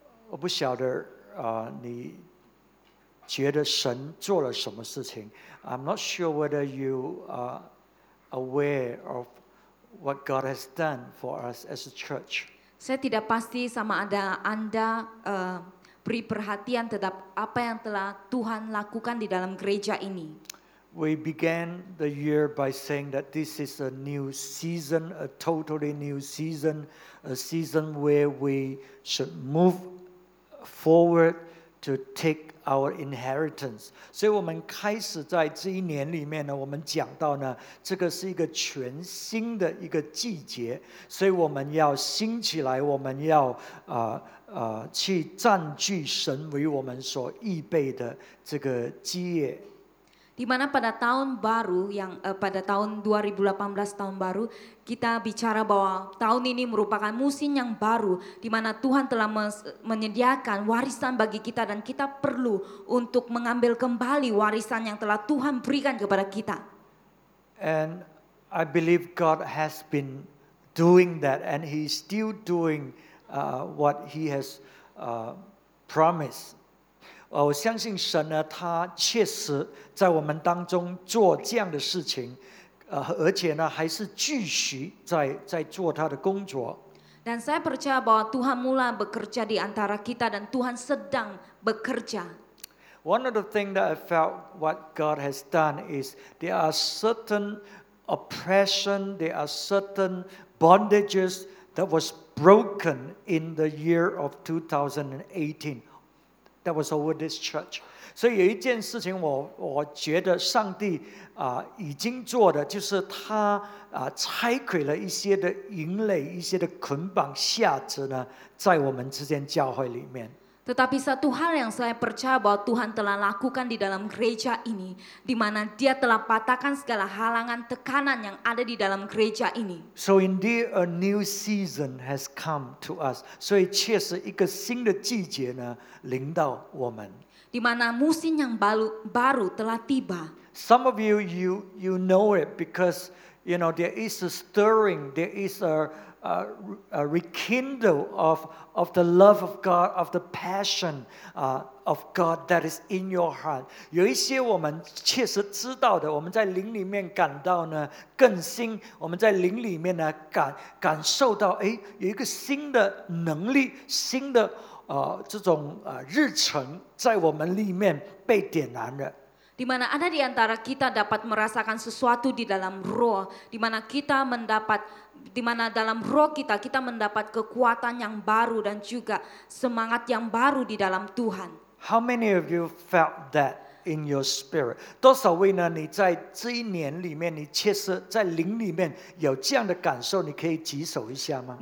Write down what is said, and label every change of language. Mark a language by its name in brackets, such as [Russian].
[Chinese] 我不晓得你觉得神做了什么事情。 [English] I'm not sure whether you are aware of what God has done for us as a church. [Chinese] 我不晓得你们的心 [Indonesian] beri perhatian terhadap apa yang telah Tuhan lakukan di dalam gereja ini. [English] We began the year by saying that this is a new season, a totally new season, a season where we should move forward to take our inheritance. [Chinese] 所以我们开始在这一年里面呢，我们讲到呢，这个是一个全新的一个季节，所以我们要兴起来，我们要去占据神为我们所预备的这个基业。 [Indonesian] Di mana pada tahun baru yang pada tahun 2018 tahun baru kita bicara bahwa tahun ini merupakan musim yang baru di mana Tuhan telah menyediakan warisan bagi kita dan kita perlu untuk mengambil kembali warisan yang telah Tuhan berikan kepada kita. [English] And I believe God has been doing that and He is still doing what He has promised. [Chinese] 我相信神呢，他确实在我们当中做这样的事情，而且呢，还是继续在做他的工作。 [Indonesian] Dan saya percaya bahwa Tuhan mulai bekerja di antara kita dan Tuhan sedang bekerja. [English] One of the things that I felt what God has done is there are certain oppression, there are certain bondages that was broken in the year of 2018. That was over this church. [Chinese] So, 有一件事情我觉得上帝已经做的，就是他拆毁了一些的营垒，一些的捆绑下子呢，在我们之间教会里面。 [Indonesian] Tetapi satu hal yang saya percaya bahwa Tuhan telah lakukan di dalam gereja ini, di mana Dia telah patahkan segala halangan tekanan yang ada di dalam gereja ini. [English] So indeed a new season has come to us. [Chinese] 所以确实一个新的季节呢临到我们。 [Indonesian] Di mana musim yang baru telah tiba. [English] Some of you know it because you know there is a stirring, there is a rekindle of the love of God, of the passion of God that is in your heart. [Chinese] 有一些我们确实知道的，我们在灵里面感到呢更新，我们在灵里面呢感受到，哎，有一个新的能力，新的这种日程在我们里面被点燃了。 [Indonesian] Di mana ada di antara kita dapat merasakan sesuatu di dalam roh, di mana kita mendapat, di mana dalam roh kita mendapat kekuatan yang baru dan juga semangat yang baru di dalam Tuhan. [English] How many of you felt that in your spirit? [Chinese] 多少位呢？你在这一年里面，你确实在灵里面有这样的感受，你可以举手一下吗？